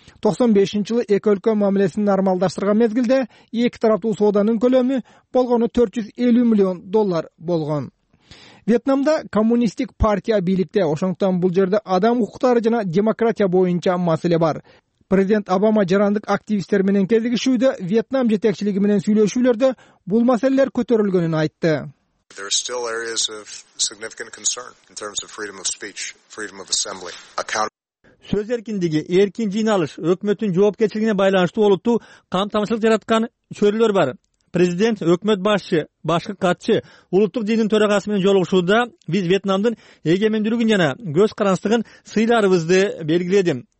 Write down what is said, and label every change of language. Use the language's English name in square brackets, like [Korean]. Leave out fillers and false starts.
[Kyrgyz] 95 жылы эки өлкө мамилесин нормалдаштырган мезгилде эки тараптуу сооданын көлөмү болгону 450 миллион доллар болгон. Вьетнамда коммунисттик партия бийликте, ошондуктан бул жерде адам укуктары жана демократия боюнча маселе бар. Президент Обама жарандык активисттер менен кезигишүүдө Вьетнам жетекчилиги менен сүйлөшүүлөрдө бул маселелер көтөрүлгөнүн айтты. [English] There are still areas of significant concern in terms of freedom of speech, freedom of assembly. [Kyrgyz] Сөз эркиндиги, эркин жыйналыш, өкмөттүн жоопкерчилигине байланыштуу олуттуу камтамасыз жараткан чөйрөлөр бар. президент, өкмөт башчы, башкы катчы, улуттук динин төрагасы менен жолугушууда биз Вьетнамдын эгемендүүлүгүн жана көз карандысын сыйларыбызды белгиледим.